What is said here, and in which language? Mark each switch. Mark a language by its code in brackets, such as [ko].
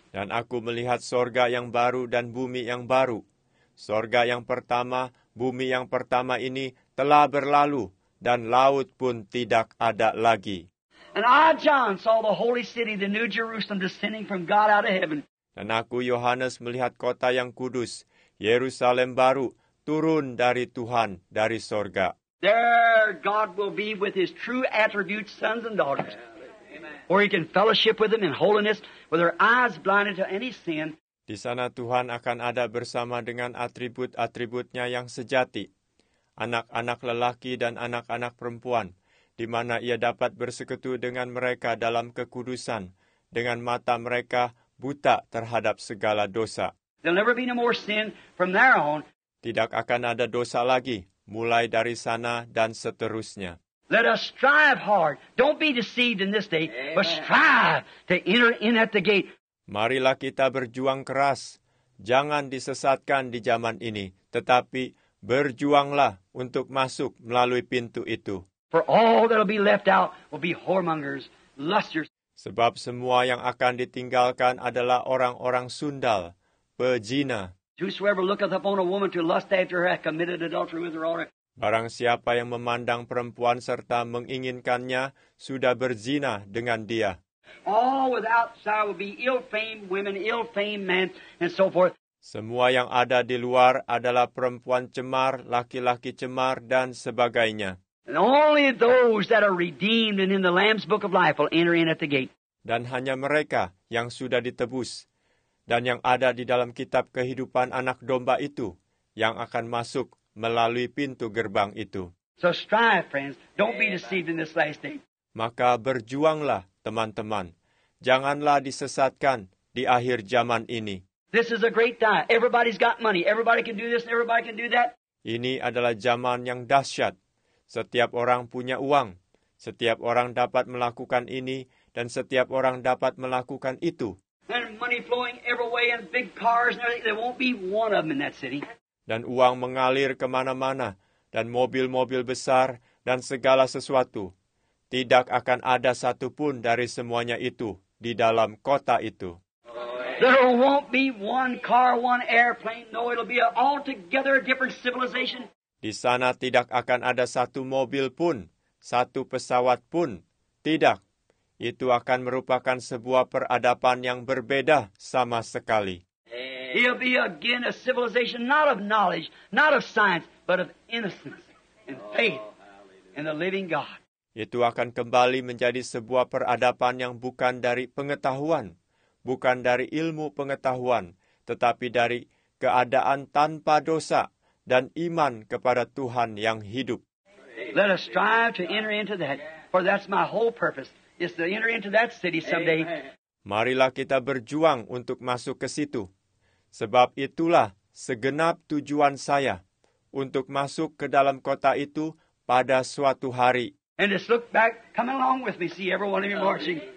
[id] Dan aku melihat sorga yang baru dan bumi yang baru. Sorga yang pertama, bumi yang pertama ini telah berlalu, dan laut pun tidak ada lagi. [en] And I, John, saw the holy city, the new Jerusalem, descending from God out of heaven. [id] Dan aku, Yohanes, melihat kota yang kudus, Yerusalem baru, turun dari Tuhan, dari sorga. [en] There God will be with his true attributes, sons and daughters. Or he can fellowship with them in holiness, with their eyes blinded to any sin. [id] Di sana Tuhan akan ada bersama dengan atribut-atributnya yang sejati. Anak-anak lelaki dan anak-anak perempuan, di mana ia dapat bersekutu dengan mereka dalam kekudusan, dengan mata mereka buta terhadap segala dosa. [en] There'll never be no more sin from there on. [id] Tidak akan ada dosa lagi, mulai dari sana dan seterusnya. [en] Let us strive hard. Don't be deceived in this day, but strive to enter in at the gate. [id] Marilah kita berjuang keras. Jangan disesatkan di zaman ini, tetapi berjuanglah untuk masuk melalui pintu itu. [en] For all that'll be left out will be whoremongers, lusters. [id] Sebab semua yang akan ditinggalkan adalah orang-orang sundal, pejina. [en] Whosoever looketh upon a woman to lust after her hath committed adultery with her already. [id] Barang siapa yang memandang perempuan serta menginginkannya sudah berzina dengan dia. [en] All without shall will be ill-famed women, ill-famed men, and so forth. [id] Semua yang ada di luar adalah perempuan cemar, laki-laki cemar, dan sebagainya. [en] And only those that are redeemed and in the Lamb's book of life will enter in at the gate. [id] Dan hanya mereka yang sudah ditebus dan yang ada di dalam kitab kehidupan anak domba itu yang akan masuk melalui pintu gerbang itu. [en] So strive, friends. Don't be deceived in this last day. [id] Maka berjuanglah, teman-teman. Janganlah disesatkan di akhir zaman ini. [en] This is a great time. Everybody's got money. Everybody can do this and everybody can do that. [id] Ini adalah zaman yang dahsyat. Setiap orang punya uang. Setiap orang dapat melakukan ini dan setiap orang dapat melakukan itu. [en] And money flowing every way and big cars and everything. There won't be one of them in that city. [id] Dan uang mengalir kemana-mana dan mobil-mobil besar dan segala sesuatu. Tidak akan ada satu pun dari semuanya itu di dalam kota itu. [en] There won't be one car, one airplane. No, it'll be an altogether different civilization. [id] Di sana tidak akan ada satu mobil pun, satu pesawat pun. Tidak. Itu akan merupakan sebuah peradaban yang berbeda sama sekali. [en] It'll be again a civilization not of knowledge, not of science, but of innocence and faith in the living God. [id] Itu akan kembali menjadi sebuah peradaban yang bukan dari pengetahuan, bukan dari ilmu pengetahuan, tetapi dari keadaan tanpa dosa dan iman kepada Tuhan yang hidup. [en] Let us strive to enter into that, for that's my whole purpose, is to enter into that city someday. [id] Marilah kita berjuang untuk masuk ke situ, sebab itulah segenap tujuan saya, untuk masuk ke dalam kota itu pada suatu hari. [en] And just look back, come along with me, see every one of you marching.